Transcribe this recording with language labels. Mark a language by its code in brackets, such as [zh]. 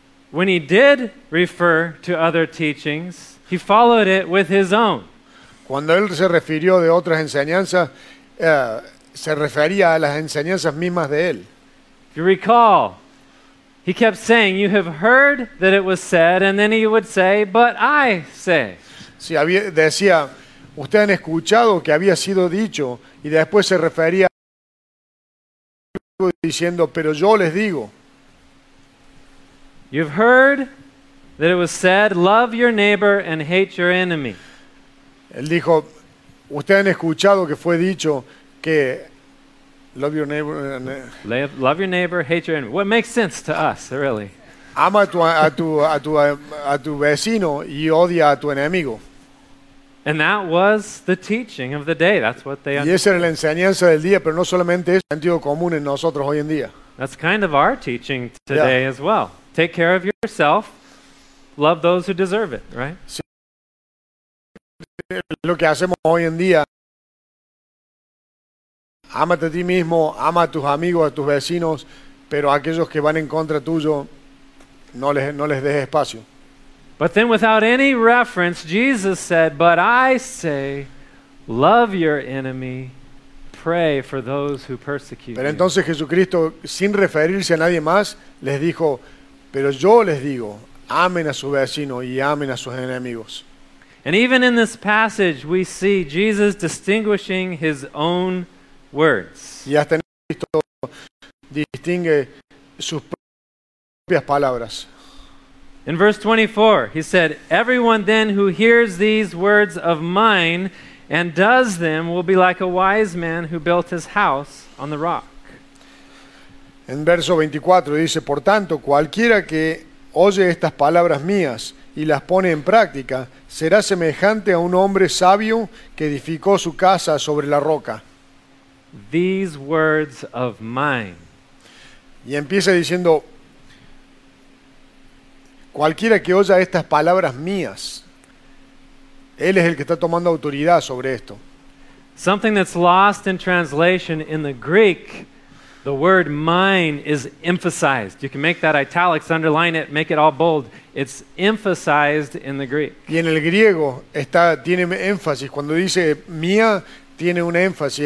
[en] When he did refer to other teachings, he followed it with his own. [es] Cuando él se refirió de otras enseñanzas, se refería a las enseñanzas mismas de él. [en] If you recall, he kept saying, "You have heard that it was said," and then he would say, "But I say." [es] Sí, decía, "Ustedes han escuchado que había sido dicho," y después se refería diciendo, "Pero yo les digo." [en] You've heard that it was said, "Love your neighbor and hate your enemy." [es] Él dijo, "Ustedes han escuchado que fue dicho que [en] love your neighbor and love your neighbor, hate your enemy." What makes sense to us, really? [es] Ama a tu vecino y odia a tu enemigo. [en] And that was the teaching of the day. That's what they [es] understood. Y esa era la enseñanza del día, pero no solamente es sentido común en nosotros hoy en día. [en] That's kind of our teaching today as well. Take care of yourself. Love those who deserve it, right? [es] Sí. Lo que hacemos hoy en día. Ámate a ti mismo, ama a tus amigos, a tus vecinos, pero a aquellos que van en contra tuyo, no les dejes espacio. [en] But then without any reference, Jesus said, but I say, love your enemy, pray for those who persecute you. [es] Pero entonces Jesucristo, sin referirse a nadie más, les dijo, pero yo les digo, amen a su vecino y amen a sus enemigos. [en] And even in this passage, we see Jesus distinguishing his own words. [es] Y hasta en esto distingue sus propias palabras. [en] In verse 24, he said, everyone then who hears these words of mine and does them will be like a wise man who built his house on the rock. [es] En verso 24 dice, por tanto, cualquiera que oye estas palabras mías y las pone en práctica, será semejante a un hombre sabio que edificó su casa sobre la roca. [en] These words of mine. [es] Y empieza diciendo, cualquiera que oiga estas palabras mías, él es el que está tomando autoridad sobre esto. [en] Something that's lost in translation in the Greek, the word mine is emphasized. You can make that italics, underline it, make it all bold. It's emphasized in the Greek. [es] Y en el griego está, tiene énfasis. Cuando dice mía, tiene un énfasis.